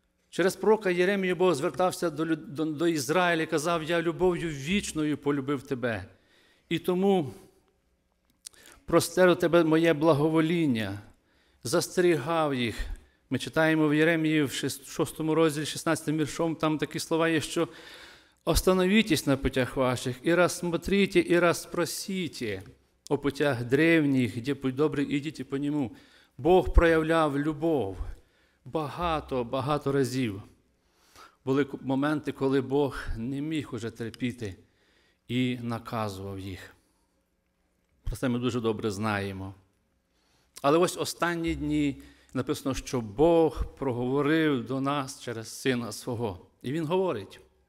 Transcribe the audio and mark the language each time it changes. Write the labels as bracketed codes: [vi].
[uk] Через пророка Єремію Бог звертався до Ізраїля і казав, я любов'ю вічною полюбив тебе, і тому простер до тебе моє благовоління, застерігав їх. Ми читаємо в Єремії в 6 розділі, 16 віршом, там такі слова є, що [ru] Остановитесь на путях ваших и рассмотрите, и расспросите о путях древних, где путь добрый, идите по нему. [uk] Бог проявляв любовь багато, багато разів. Були моменти, коли Бог не міг уже терпіти і наказував їх. Про це ми дуже добре знаємо. Але ось останні дні написано, що Бог проговорив до нас через Сина Свого. І Він говорить.